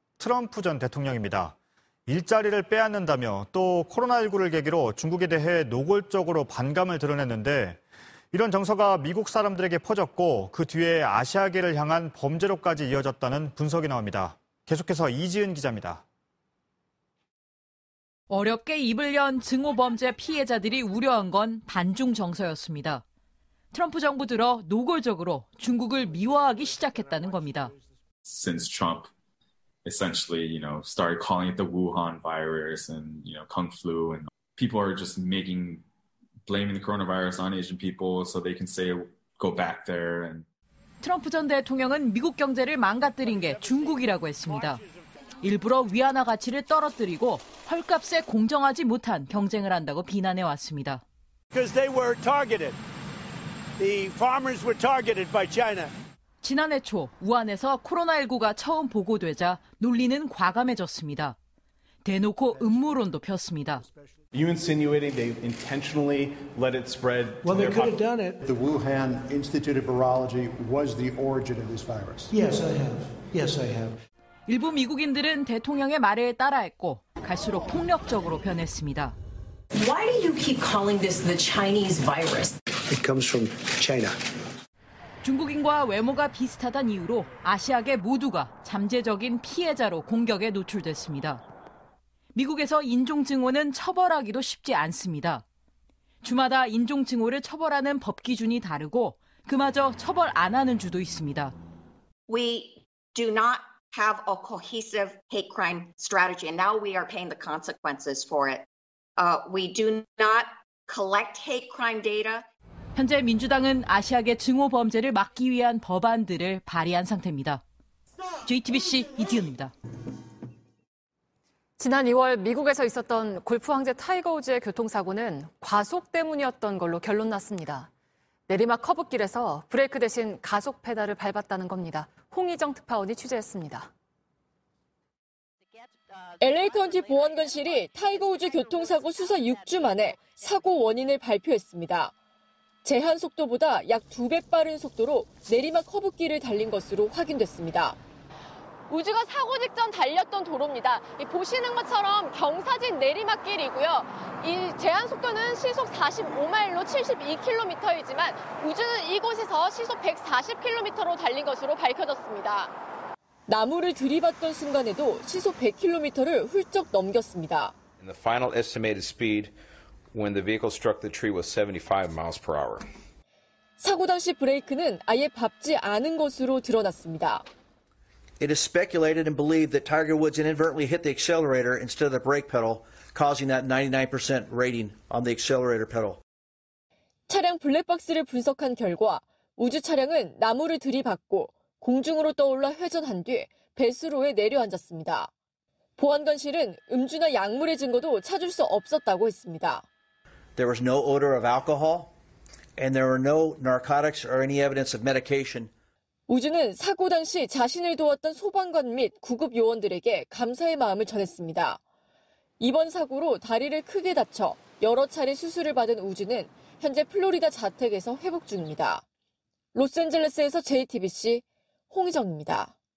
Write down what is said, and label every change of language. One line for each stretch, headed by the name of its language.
Korean: 트럼프 전 대통령입니다. 일자리를 빼앗는다며 또 코로나19를 계기로 중국에 대해 노골적으로 반감을 드러냈는데 이런 정서가 미국 사람들에게 퍼졌고 그 뒤에 아시아계를 향한 범죄로까지 이어졌다는 분석이 나옵니다. 계속해서 이지은 기자입니다. 어렵게 입을 연 증오범죄 피해자들이 우려한 건 반중 정서였습니다. 트럼프 정부 들어 노골적으로 중국을 미화하기 시작했다는 겁니다.
English: Since Trump essentially, you know, started calling it the Wuhan virus and, you know, Kung flu and people are just making blaming the coronavirus on Asian people so they can say go back there and
Korean: 트럼프 전 대통령은 미국 경제를 망가뜨린 게 중국이라고 했습니다. 일부러 위안화 가치를 떨어뜨리고 헐값에 공정하지 못한 경쟁을 한다고 비난해 왔습니다.
English: Because they were targeted. The farmers were targeted by China.
Korean: 지난해 초 우한에서 코로나19가 처음 보고되자 논리는 과감해졌습니다. 대놓고 음모론도 폈습니다.
English: You insinuating they intentionally let it spread. Well, they could have done it. The Wuhan Institute of Virology was the origin of this virus. Yes, I have. Yes, I have.
Korean: 일부 미국인들은 대통령의 말을 따라했고 갈수록 폭력적으로 변했습니다.
English: Why do you keep calling this the Chinese virus? It comes from China.
Korean: 중국인과 외모가 비슷하단 이유로 아시아계 모두가 잠재적인 피해자로 공격에 노출됐습니다. 미국에서 인종증오는 처벌하기도 쉽지 않습니다. 주마다 인종증오를 처벌하는 법 기준이 다르고 그마저 처벌 안 하는 주도 있습니다.
English: We do not have a cohesive hate crime strategy and now we are paying the consequences for it. We do not collect hate crime data.
Korean: 현재 민주당은 아시아계 증오 범죄를 막기 위한 법안들을 발의한 상태입니다. JTBC 이지은입니다. 지난 2월 미국에서 있었던 골프 황제 타이거 우즈의 교통사고는 과속 때문이었던 걸로 결론 났습니다. 내리막 커브길에서 브레이크 대신 가속 페달을 밟았다는 겁니다. 홍희정 특파원이 취재했습니다. LA 카운티 보안관실이 타이거 우즈 교통사고 수사 6주 만에 사고 원인을 발표했습니다. 제한 속도보다 약 두 배 빠른 속도로 내리막 커브길을 달린 것으로 확인됐습니다. 우즈가 사고 직전 달렸던 도로입니다. 보시는 것처럼 경사진 내리막길이고요. 이 제한 속도는 시속 45마일로 72km이지만 우즈는 이곳에서 시속 140km로 달린 것으로 밝혀졌습니다. 나무를 들이받던 순간에도 시속 100km를 훌쩍 넘겼습니다.
English: In the final estimated speed, when the vehicle struck the tree was 75 miles per hour.
Korean: 사고 당시 브레이크는 아예 밟지 않은 것으로 드러났습니다.
English: It is speculated and believed that Tiger Woods inadvertently hit the accelerator instead of the brake pedal, causing that 99% rating on the accelerator pedal.
Korean: 차량 블랙박스를 분석한 결과 우주 차량은 나무를 들이받고 공중으로 떠올라 회전한 뒤 배수로에 내려앉았습니다. 보안관실은 음주나 약물의 증거도 찾을 수 없었다고 했습니다.
English: There was no odor of alcohol and there were no narcotics or any evidence of medication.
Korean: 우주는 사고 당시 자신을 도왔던 소방관 및 구급 요원들에게 감사의 마음을 전했습니다. 이번 사고로 다리를 크게 다쳐 여러 차례 수술을 받은 우주는 현재 플로리다 자택에서 회복 중입니다. 로스앤젤레스에서 JTBC 홍희정입니다.